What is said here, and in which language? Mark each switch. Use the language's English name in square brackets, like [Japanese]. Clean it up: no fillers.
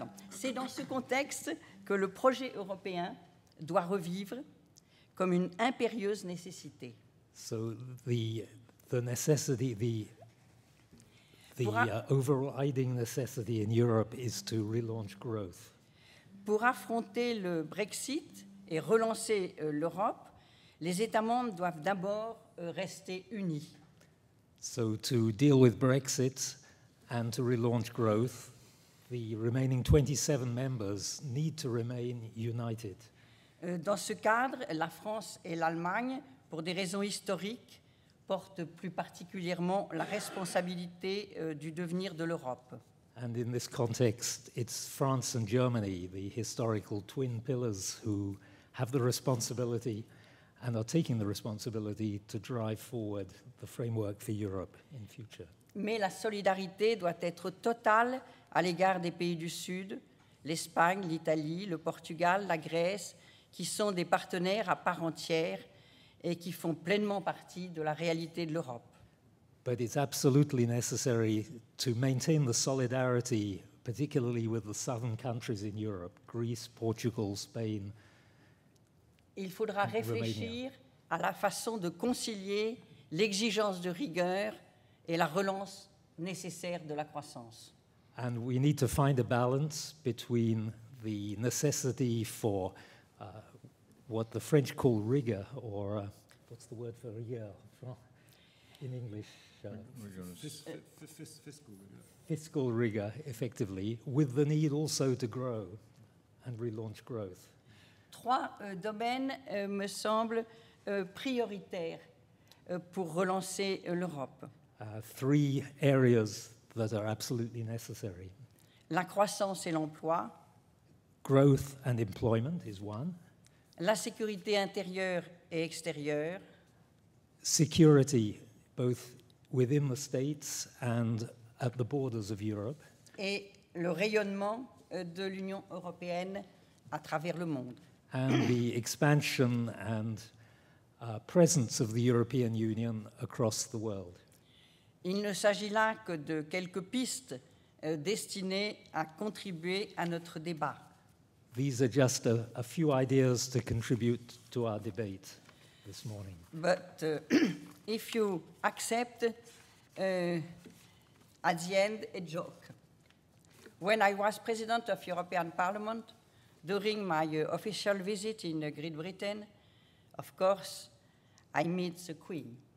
[French] C'est dans ce contexte que le projet européen doit revivre comme une impérieuse nécessité. [English] So the necessity, the overriding necessity in Europe is to relaunch growth. [French] Pour affronter le Brexit et relancer l'Europe, les États membres doivent d'abord rester unis. [English] So to deal with Brexit and to relaunch growth, the remaining 27 members need to remain united. [French] Dans ce cadre, la France et l'Allemagne, pour des raisons historiques, portent plus particulièrement la responsabilité du devenir de l'Europe. [English] And in this context, it's France and Germany, the historical twin pillars, who have the responsibility and are taking the responsibility to drive forward the framework for Europe in future. [French] Mais la solidarité doit être totale à l'égard des pays du Sud, l'Espagne, l'Italie, le Portugal, la Grèce, qui sont des partenaires à part entière et qui font pleinement partie de la réalité de l'Europe. [English] But it's absolutely necessary to maintain the solidarity, particularly with the southern countries in Europe, Greece, Portugal, Spain. [French] Il faudra réfléchir à la façon de concilier l'exigence de rigueur et la relance nécessaire de la croissance. [English] And we need to find a balance between the necessity for what the French call rigor, or what's the word for rigueur in English? Fiscal rigor, effectively, with the need also to grow and relaunch growth. [French] Trois domaines me semblent prioritaires pour relancer l'Europe. [English] Three areas that are absolutely necessary. [French] La croissance et l'emploi. [English] Growth and employment is one. [French] La sécurité intérieure et extérieure. [English] Security, both within the states and at the borders of Europe. [French] Et le rayonnement de l'Union européenne à travers le monde. [English] And the expansion and presence of the European Union across the world. [French] Il ne s'agit là que de quelques pistes destinées à contribuer à notre débat. [English] These are just a few ideas to contribute to our debate this morning. But if you accept, at the end, a joke. When I was president of European Parliament, during my official visit in Great Britain, of course, I met the Queen.